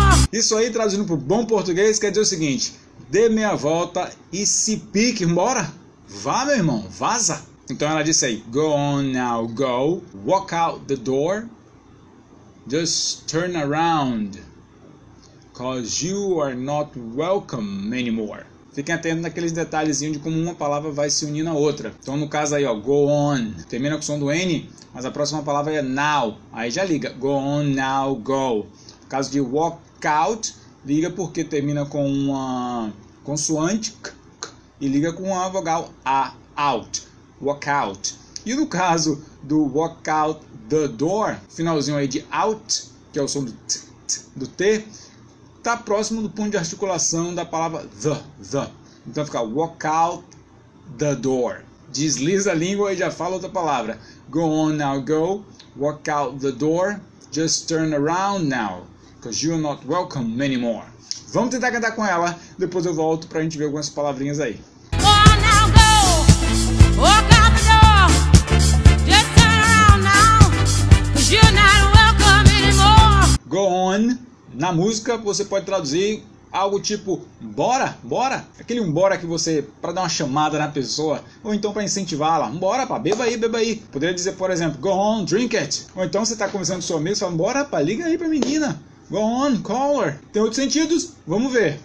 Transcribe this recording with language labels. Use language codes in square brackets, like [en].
[pt] Isso aí, traduzindo para o bom português, quer dizer o seguinte: dê meia volta e se pique, embora. Vá, meu irmão, vaza. Então ela disse aí: [en] go on now, go, walk out the door, just turn around, cause you are not welcome anymore. [pt] Fiquem atentos naqueles detalhezinhos de como uma palavra vai se unindo à outra. Então no caso aí, ó, go on, termina com o som do N, mas a próxima palavra é now, aí já liga, [en] go on now, go. [pt] No caso de walk out, liga porque termina com uma consoante, k, e liga com a vogal A, out, walk out. E no caso do walk out the door, finalzinho aí de out, que é o som do t, t do T, tá próximo do ponto de articulação da palavra the. Então fica walk out the door. Desliza a língua e já fala outra palavra. [en] Go on now, go. Walk out the door. Just turn around now, cause you're not welcome anymore. [pt] Vamos tentar cantar com ela. Depois eu volto pra gente ver algumas palavrinhas aí. [en] Go on now, go. Walk out the door. Just turn around now, cause you're not welcome anymore. Go on. [pt] Na música, você pode traduzir algo tipo, bora, bora. Aquele um bora que você, para dar uma chamada na pessoa, ou então para incentivá-la. Bora, pá, beba aí. Poderia dizer, por exemplo, [en] go on, drink it. [pt] Ou então você está conversando com sua amiga e fala, bora, pá, liga aí para menina. [en] Go on, call her. [pt] Tem outros sentidos? Vamos ver.